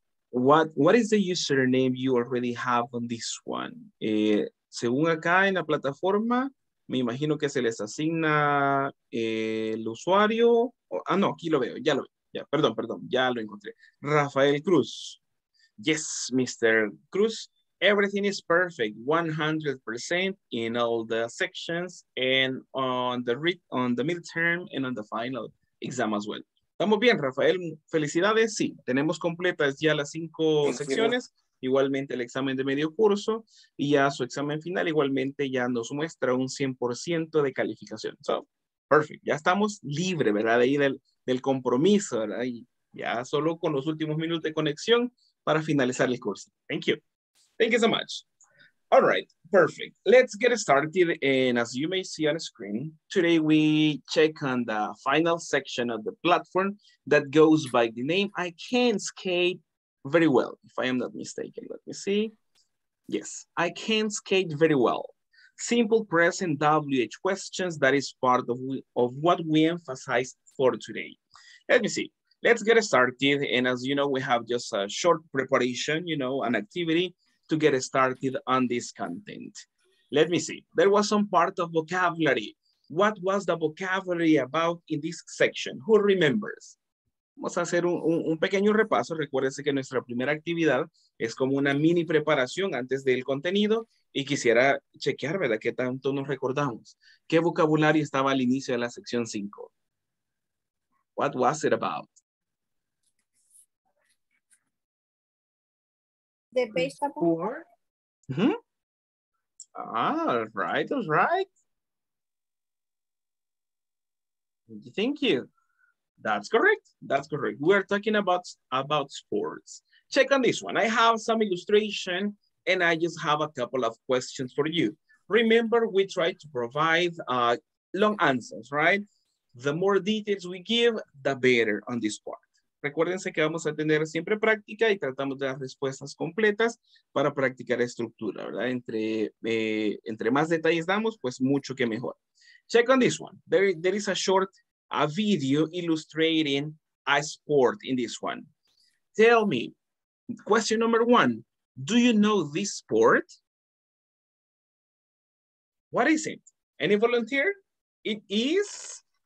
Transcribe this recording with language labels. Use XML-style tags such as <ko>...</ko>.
<en>What is the username you already have on this one?</en> <es>Según acá en la plataforma, me imagino que se les asigna el usuario. Oh, ah, no, aquí lo veo, ya lo veo. Ya, perdón, ya lo encontré. Rafael Cruz.</es> <en>Yes, Mr. Cruz. Everything is perfect, 100% in all the sections and on the midterm and on the final exam as well.</en> <es>Estamos bien, Rafael. Felicidades. Sí, tenemos completas ya las 5 secciones. Igualmente el examen de medio curso y ya su examen final igualmente ya nos muestra un 100% de calificación.</es> <en>So, perfect.</en> <es>Ya estamos libre, ¿verdad? De ahí del compromiso, ¿verdad? Y ya solo con los últimos minutos de conexión para finalizar el curso.</es> <en>Thank you. Thank you so much. All right, perfect. Let's get started. And as you may see on the screen, today we check on the final section of the platform that goes by the name I can't skate very well, if I am not mistaken. Let me see. Yes, I can't skate very well. Simple present WH questions, that is part of what we emphasize for today. Let me see. Let's get started. And as you know, we have just a short preparation, you know, an activity to get started on this content. Let me see. There was some part of vocabulary. What was the vocabulary about in this section? Who remembers?</en> <es>Vamos a hacer un pequeño repaso. Recuérdense que nuestra primera actividad es como una mini preparación antes del contenido y quisiera chequear, ¿verdad? ¿Qué tanto nos recordamos? ¿Qué vocabulario estaba al inicio de la sección 5?</es> <en>What was it about? The vegetable. Mm-hmm. All right. Thank you. That's correct. We are talking about sports. Check on this one. I have some illustration and I just have a couple of questions for you. Remember, we try to provide long answers, right? The more details we give, the better on this part.</en> <es>Recuérdense que vamos a tener siempre práctica y tratamos de dar respuestas completas para practicar estructura, ¿verdad? Entre más detalles damos, pues mucho que mejor.</es> <en>Check on this one. There is a video illustrating a sport in this one. Tell me, question number one, do you know this sport? What is it? Any volunteer? It is...</en>